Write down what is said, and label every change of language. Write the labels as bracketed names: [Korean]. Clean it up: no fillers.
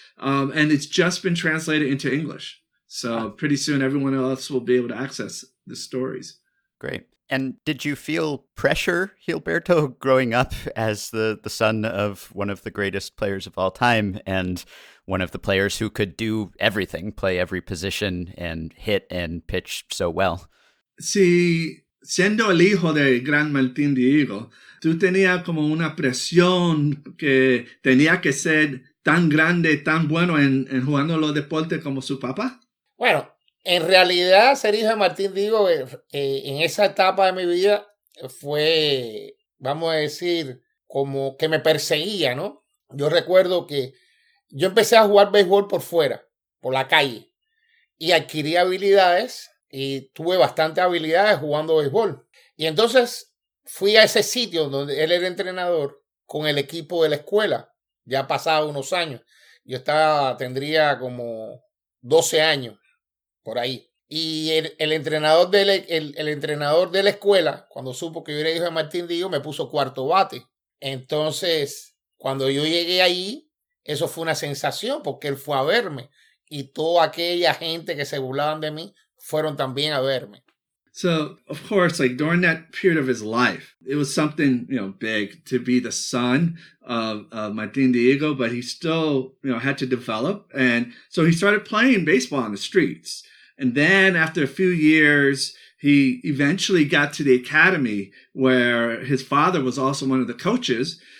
[English] And it's just been translated into English. So pretty soon everyone else will be able to access the stories. Great. And did you feel pressure, Gilberto, growing up as the son of one of the greatest players of all time and one of the players who could do everything, play every position and hit and pitch so well? [Spanish] Sí, siendo el hijo del gran Martín Diego, tú tenías como una presión que tenía que ser tan grande, tan bueno en jugando los deportes como su papá. Bueno, en realidad, ser hijo de Martín Diego en esa etapa de mi vida fue, vamos a decir, como que me perseguía, ¿no? Yo recuerdo que yo empecé a jugar béisbol por fuera, por la calle, y adquirí habilidades y tuve bastantes habilidades jugando béisbol. Y entonces fui a ese sitio donde él era entrenador con el equipo de la escuela. Ya pasados unos años, yo tendría como 12 años. Por ahí. Y el entrenador de la escuela, cuando supo que yo era hijo de Martín Diego, me puso cuarto bate. Entonces, cuando yo llegué ahí, eso fue una sensación porque él fue a verme. Y toda aquella gente que se burlaban de mí fueron también a verme. [English] So, of course, like during that period of his life, it was something, you know, big to be the son of Martín Diego, but he still, you know, had to develop. And so he started playing baseball on the streets. And then after a few years, he eventually got to the academy where his father was also one of the coaches.